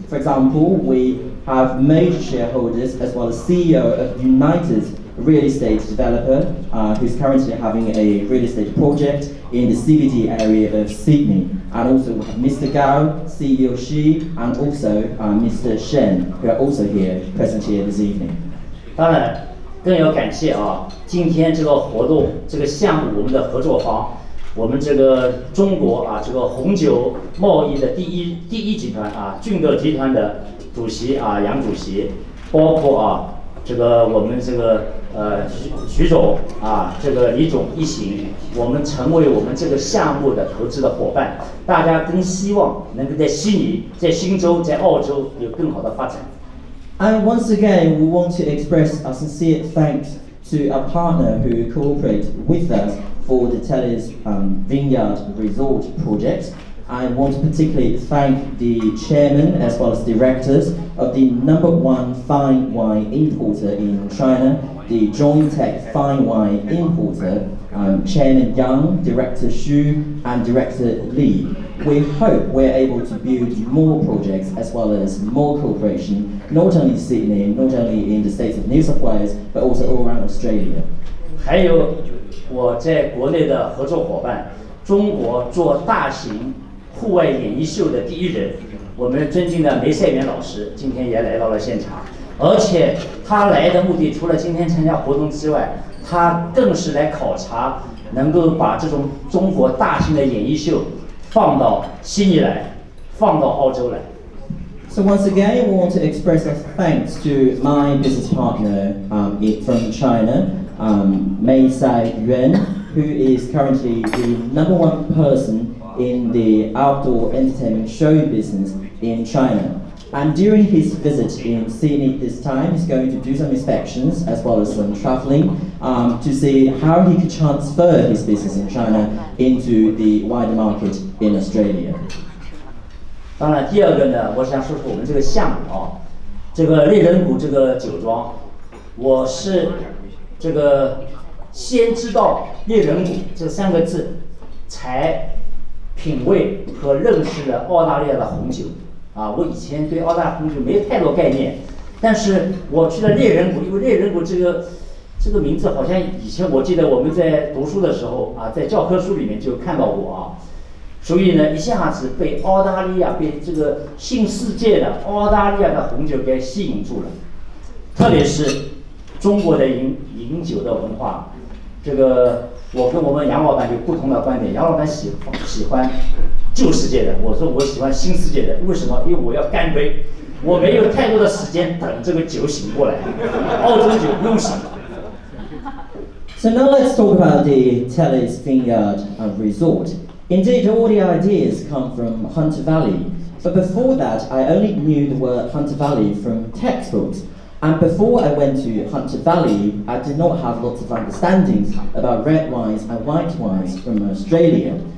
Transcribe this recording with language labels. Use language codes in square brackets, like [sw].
[en] For example, we have major shareholders as well as CEO of United Real Estate Developer, who's currently having a real estate project in the CBD area of Sydney. And also, we have Mr. Gao, CEO Xi, and also Mr. Shen, who are also here, present here this evening. Hello. [zh] 更要感谢啊，今天这个活动这个项目我们的合作方，我们这个中国啊这个红酒贸易的第一集团啊俊德集团的主席啊杨主席，包括啊这个我们这个徐总啊这个李总一行，我们成为我们这个项目的投资的伙伴，大家都希望能够在悉尼在新州在澳洲有更好的发展。 [en] And once again, we want to express our sincere thanks to our partner who cooperate with us for the Tellace Vineyard Resort project. I want to particularly thank the chairman as well as directors of the number one fine wine importer in China, the Joint Tech Fine Wine Importer, Chairman Yang, Director Xu, and Director Li. We hope we're able to build more projects as well as more cooperation, not only in Sydney, not only in the states of New South Wales, but also all around Australia. [zh] 还有我在国内的合作伙伴，中国做大型户外演艺秀的第一人，我们尊敬的梅赛元老师今天也来到了现场，而且他来的目的除了今天参加活动之外，他更是来考察能够把这种中国大型的演艺秀放到悉尼来，放到澳洲来。 [en] So once again, we want to express our thanks to my business partner from China, Mei Sai Yuan, who is currently the number one person in the outdoor entertainment show business in China. And during his visit in Sydney this time, he's going to do some inspections as well as some traveling to see how he could transfer his business in China into the wider market. In Australia. [zh] 当然第二个呢，我想说说我们这个项目啊，这个猎人谷这个酒庄，我是这个先知道猎人谷这三个字，才品味和认识了澳大利亚的红酒啊。我以前对澳大利亚红酒没有太多概念，但是我去了猎人谷，因为猎人谷这个名字好像以前我记得我们在读书的时候啊，在教科书里面就看到过啊。所以呢，一下子被澳大利亚，被这个新世界的澳大利亚的红酒给吸引住了，特别是中国的饮酒的文化，这个我跟我们杨老板有不同的观点。杨老板喜欢旧世界的，我说我喜欢新世界的。为什么？因为我要干杯，我没有太多的时间等这个酒醒过来，澳洲酒不用醒。 [en] So now let's talk about the Tellace Vineyard Resort. Indeed, all the ideas come from Hunter Valley. But before that, I only knew the word Hunter Valley from textbooks. And before I went to Hunter Valley, I did not have lots of understandings about red wines and white wines from Australia.